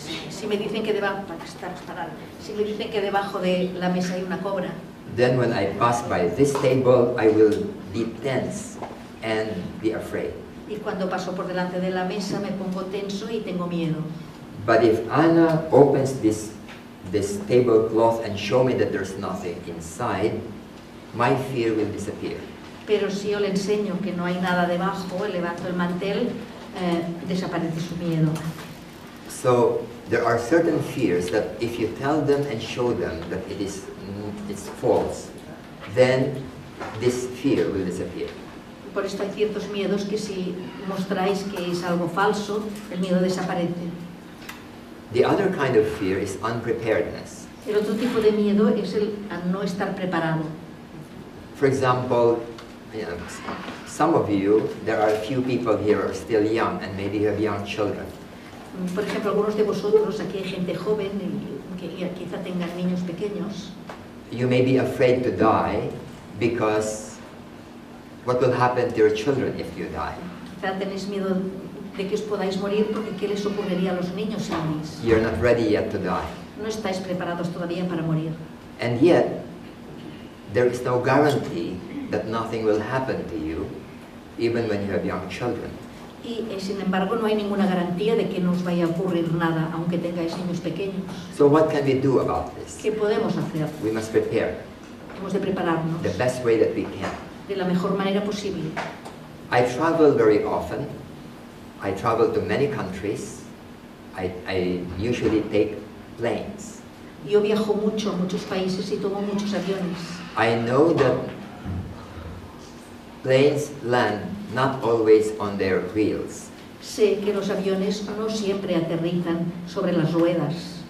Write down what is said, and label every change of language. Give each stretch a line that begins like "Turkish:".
Spanish: Si me dicen que debajo de la mesa hay una cobra.
English: Then when I pass by this table, I will be tense and be afraid.
Spanish: Y cuando paso por delante de la mesa, me pongo tenso y tengo miedo.
English: But if Anna opens this tablecloth and show me that there's nothing inside, my fear will disappear.
Spanish: Pero si yo le enseño que no hay nada debajo, levanto el mantel, desaparece su miedo.
English: So there are certain fears that if you tell them and show them that it's false, then this fear will disappear.
Spanish: Por esto hay ciertos miedos que si mostráis que es algo falso, el miedo desaparece.
English: The other kind of fear is unpreparedness.
Spanish: El otro tipo de miedo es el a no estar preparado.
English: For example, you know, some of you, there are a few people here are still young and maybe you have young children.
Spanish: Por ejemplo, algunos de vosotros, aquí hay gente joven que quizá tengan niños pequeños.
English: You may be afraid to die because what will happen to your children if you die?
Spanish: Quizá tenéis miedo de que os podáis morir porque ¿qué les ocurriría a los niños si morís?
English: You're not ready yet to die.
Spanish: No estáis preparados todavía para morir.
English: And yet, there is no guarantee that nothing will happen to you even when you have young children.
Spanish: Y sin embargo no hay ninguna garantía de que no os vaya a ocurrir nada aunque tengáis niños pequeños.
English: So what can we do about this?
Spanish: ¿Qué podemos hacer?
English: We must prepare.
Spanish: Hemos de prepararnos.
English: The best way that we can.
Spanish: De la mejor manera posible.
English: I travel very often. I travel to many countries. I usually take planes.
Spanish: Yo viajo mucho a muchos países y tomo muchos aviones.
English: I know that planes land not always on their wheels.
Spanish: Sé que los aviones no siempre aterrizan sobre las ruedas.